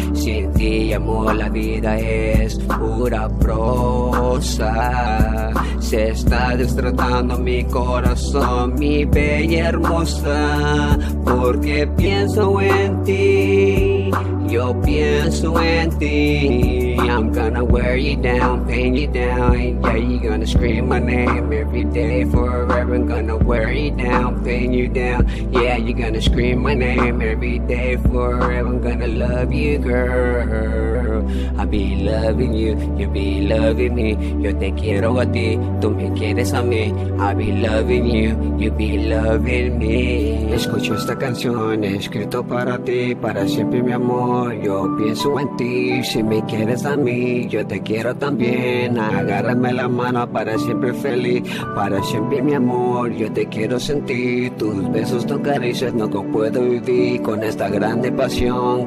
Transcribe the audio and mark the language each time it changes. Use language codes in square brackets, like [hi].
[es] Sin ti, amor, la vida es pura prosa. Se está destratando mi corazón, mi bella hermosa, porque pienso en ti. Yo pienso en ti. [en] I'm gonna wear you down, pain you down. Yeah, you gonna scream my name every day forever. I'm gonna wear you down, pain you down. Yeah, you gonna scream my name every day forever. I'm gonna love you, girl. I'll be loving you, you'll be loving me. [es] Yo te quiero a ti, tú me quieres a mí. [en] I'll be loving you, you'll be loving me. [es] Escucho esta canción escrito para ti, para siempre mi amor. Yo pienso en ti, si me quieres a mí, yo te quiero también. Agárrame la mano para siempre feliz, para siempre mi amor, yo te quiero sentir. Tus besos, tus caricias, no puedo vivir con esta grande pasión.